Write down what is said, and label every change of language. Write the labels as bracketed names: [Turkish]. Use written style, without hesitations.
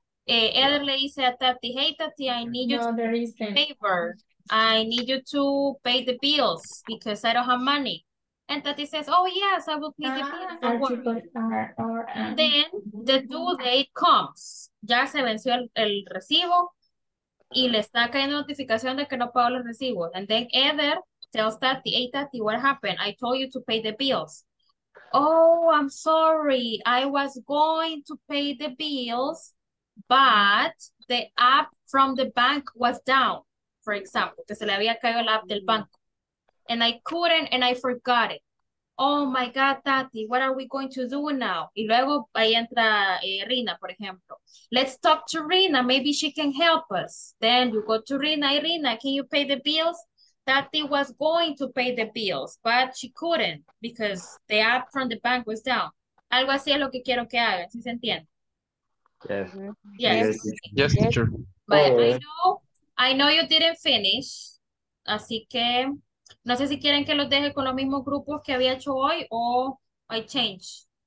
[Spanish] Eder le dice a Tati, [English] hey Tati, I need you to pay the bills because I don't have money. And Tati says, oh yes, I will pay the bills. Then the due date comes. [Spanish] Ya se venció el recibo y le está cayendo notificación de que no pagó los recibos. [English] And then Eder tells Tati, hey Tati, what happened? I told you to pay the bills. Oh, I'm sorry. I was going to pay the bills, but the app from the bank was down, for example, [Spanish] que se le había caído la app del banco. [English] And I couldn't, and I forgot it. Oh my God, Tati, what are we going to do now? [Spanish] Y luego ahí entra Rina, por ejemplo. [English] Let's talk to Rina, maybe she can help us. Then you go to Rina, hey, Rina, can you pay the bills? Tati was going to pay the bills, but she couldn't because the app from the bank was down. [Spanish] Algo así es lo que quiero que haga, ¿sí se entiende? [English] Yes, teacher. But I know you didn't finish, [Spanish] así que no sé si quieren que los deje con los mismos grupos que había hecho hoy o [English] I change.